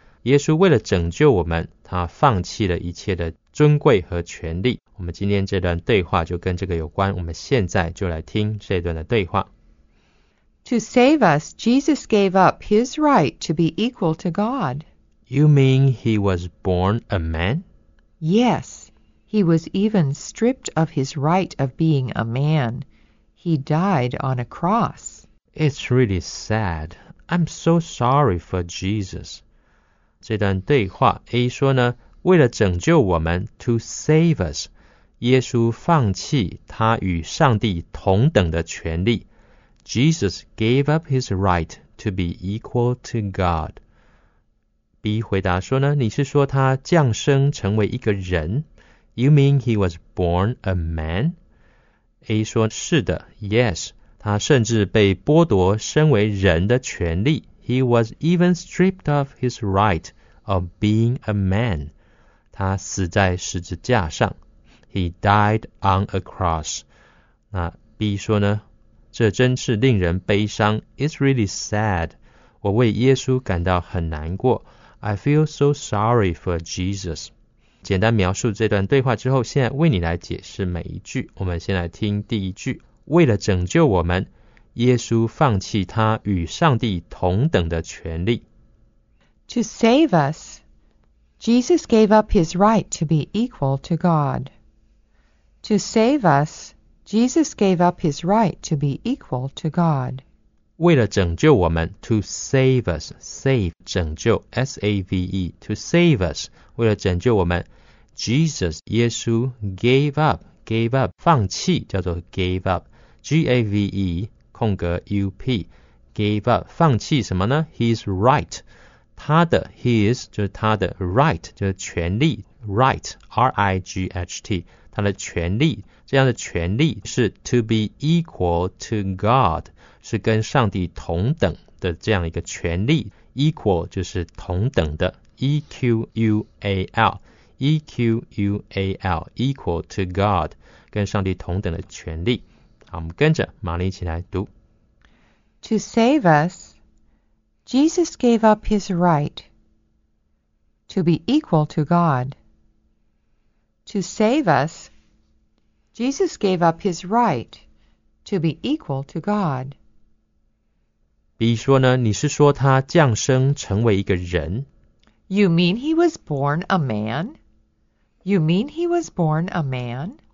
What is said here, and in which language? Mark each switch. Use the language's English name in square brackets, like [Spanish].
[Chinese] 耶稣为了拯救我们，他放弃了一切的尊贵和权利。我们今天这段对话就跟这个有关，我们现在就来听这段的对话。 [English] To save us, Jesus gave up his right to be equal to God. You mean he was born a man? Yes, he was even stripped of his right of being a man. He died on a cross. It's really sad. I'm so sorry for Jesus. [Chinese] 这段对话 A 说呢，为了拯救我们 , [English] to save us, [Chinese] 耶稣放弃他与上帝同等的权利。 [English] Jesus gave up his right to be equal to God. [Chinese] B 回答说呢，你是说他降生成为一个人？ [English] You mean he was born a man? [Chinese] A 说是的 ,yes, 他甚至被剥夺身为人的权利。 [English] He was even stripped of his right of being a man. [Chinese] 他死在十字架上。 [English] He died on a cross. [Chinese] 那 B 说呢，这真是令人悲伤。 [English] It's really sad. [Chinese] 我为耶稣感到很难过。 [English] I feel so sorry for Jesus. [Chinese] 简单描述这段对话之后，现在为你来解释每一句。我们先来听第一句。为了拯救我们，耶稣放弃他与上帝同等的权利。 [English] To save us, Jesus gave up his right to be equal to God. To save us,Jesus gave up his right to be equal to God. [Chinese] 为了拯救我们 , [English] to save us, save, [Chinese] 拯救 , [English] S-A-V-E, to save us, [Chinese] 为了拯救我们 ,Jesus, 耶稣 [English] gave up, gave up, [Chinese] 放弃叫做 gave up, G-A-V-E, 空格 [English] U-P, gave up, [Chinese] 放弃什么呢 ? [English] His right, [Chinese] 他的 his, 就是他的 right, 就是权利 [English] right, R-I-G-H-T, [Chinese] 他的权利。这样的权利是 [English] to be equal to God, [Chinese] 是跟上帝同等的这样一个权利。 Equal 就是同等的 ,E-Q-U-A-L, E-Q-U-A-L, [English] equal to God, [Chinese] 跟上帝同等的权利。好，我们跟着玛丽一起来读。 [English] To save us, Jesus gave up his right to be equal to God. To save us,Jesus gave up his right to be equal to God. [Chinese] B 说呢，你是说他降生成为一个人？ [English] You mean he was born a man? You mean he was born a man?